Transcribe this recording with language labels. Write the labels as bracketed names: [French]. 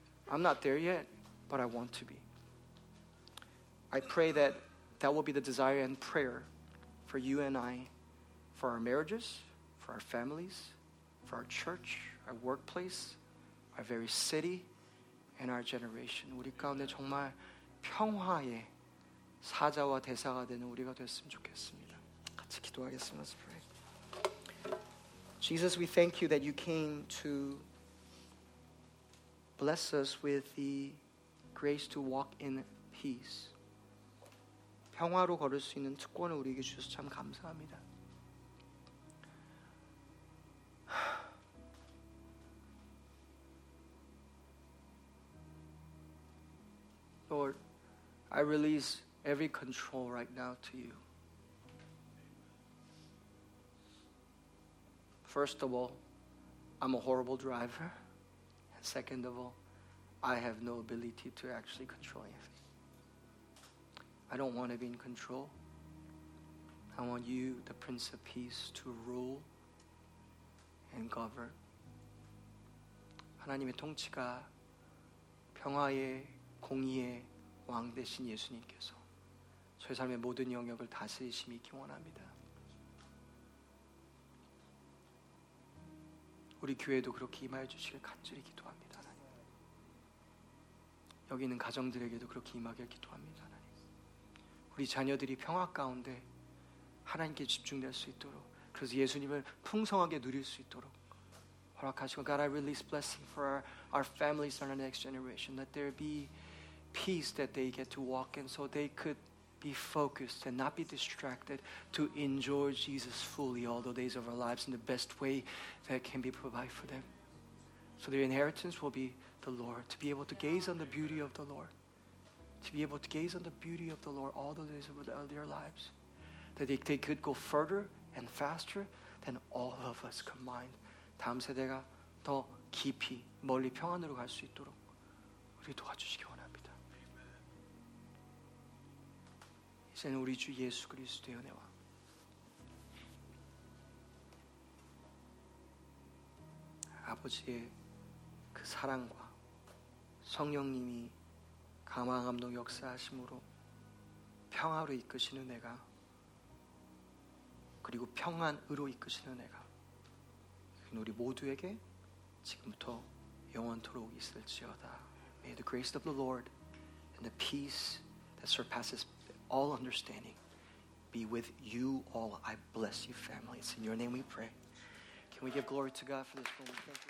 [English] I'm not there yet, but I want to be. I pray that that will be the desire and prayer for you and I, for our marriages, for our families, for our church, our workplace, our very city, and our generation. [Korean] 우리 가운데 정말 평화에 사자와 대사가 되는 우리가 됐으면 좋겠습니다. 같이 기도하겠습니다. Let's pray. [English] Jesus, we thank you that you came to bless us with the grace to walk in peace. [Korean] 평화로 걸을 수 있는 특권을 우리에게 주셔서 참 감사합니다. [English] Lord, I release every control right now to you. First of all, I'm a horrible driver. And second of all, I have no ability to actually control anything. I don't want to be in control. I want you, the Prince of Peace, to rule and govern. [Korean] 하나님의 통치가 평화의 공의의 왕 되신 예수님께서 저의 삶의 모든 영역을 다스리심이 기원합니다. 우리 교회도 그렇게 임하여 주시길 간절히 기도합니다. 하나님. 여기 있는 가정들에게도 그렇게 임하길 기도합니다. [English] 하나님. 우리 자녀들이 평화 가운데 하나님께 집중될 수 있도록 그래서 예수님을 풍성하게 누릴 수 있도록 허락하시고 God, I release blessing for our families and our next generation that there be peace that they get to walk in so they could be focused and not be distracted to enjoy Jesus fully all the days of our lives in the best way that can be provided for them. So their inheritance will be the Lord, to be able to gaze on the beauty of the Lord, to be able to gaze on the beauty of the Lord all the days of their lives, that they could go further and faster than all of us combined. [Korean] 다음 세대가 더 깊이 멀리 평안으로 갈 수 있도록 우리 도와주시기 원합니다. 이제는 우리 주 예수 그리스도의 은혜와 아버지의 그 사랑과 성령님이 감화감동 역사하심으로 평화로 이끄시는 내가 그리고 평안으로 이끄시는 내가 우리 모두에게 지금부터 영원토록 있을지어다. [English] May the grace of the Lord and the peace that surpasses all understanding be with you all. I bless you, family. It's in your name we pray. Can we give glory to God for this moment? Thank you.